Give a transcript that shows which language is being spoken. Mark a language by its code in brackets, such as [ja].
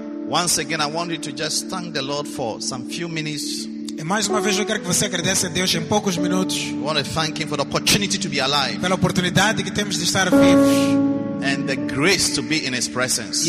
[en] Once again, I want you to just thank the Lord for some few minutes. [pt] E mais uma vez eu quero que você agradeça a Deus em poucos minutos. [en] I want to thank Him for the opportunity to be alive. [pt] Pela oportunidade que temos de estar vivos. [en] And the grace to be in His presence.